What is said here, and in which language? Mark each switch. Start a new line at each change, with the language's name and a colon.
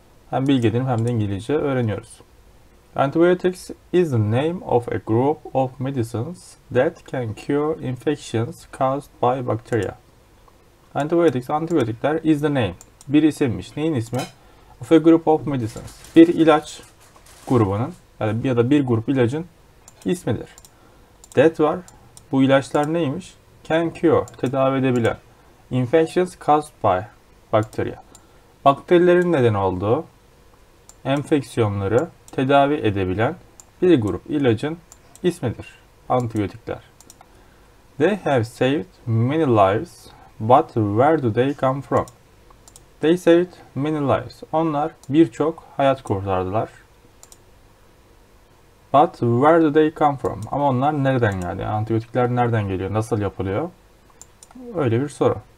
Turkish: Hem bilgi edelim hem de İngilizce öğreniyoruz.
English: Antibiotics is the name of a group of medicines that can cure infections caused by bacteria.
Turkish: Antibiotics, antibiyotikler
English: is the name.
Turkish: Bir isimmiş. Neyin ismi?
English: Of a group of medicines.
Turkish: Bir ilaç grubunun yani ya da bir grup ilacın ismidir. That var. Bu ilaçlar neymiş?
English: Can cure.
Turkish: Tedavi edebilen.
English: Infections caused by bacteria.
Turkish: Bakterilerin neden olduğu enfeksiyonları tedavi edebilen bir grup ilacın ismidir. Antibiyotikler.
English: They have saved many lives, but where do they come from? They saved many lives.
Turkish: Onlar birçok hayat kurtardılar.
English: But where do they come from?
Turkish: Ama onlar nereden geldi? Yani antibiyotikler nereden geliyor? Nasıl yapılıyor? Öyle bir soru.